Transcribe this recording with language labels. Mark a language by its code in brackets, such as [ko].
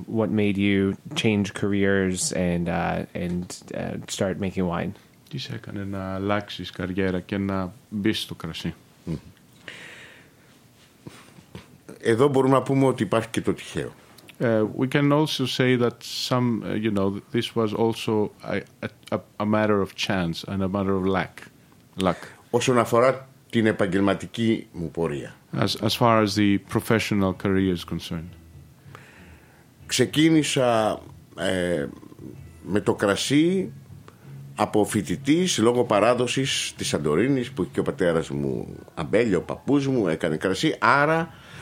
[en] What made you change careers and start making wine? [el] Τι σε έκανε να αλλάξεις καριέρα και να μπεις στο κρασί? Εδώ μπορούμε να πούμε ότι υπάρχει και το τυχαίο. [en] We can also say that some, you know, this was also a matter of chance and a matter of luck. [el] Όσον αφορά την επαγγελματική μου πορεία. [en] As far as the professional career is concerned. [el] Ξεκίνησα με το κρασί από φοιτητής λόγω παράδοσης της Σαντορίνης που και ο πατέρας μου αμπέλιο, ο παππούς μου έκανε κρασί, άρα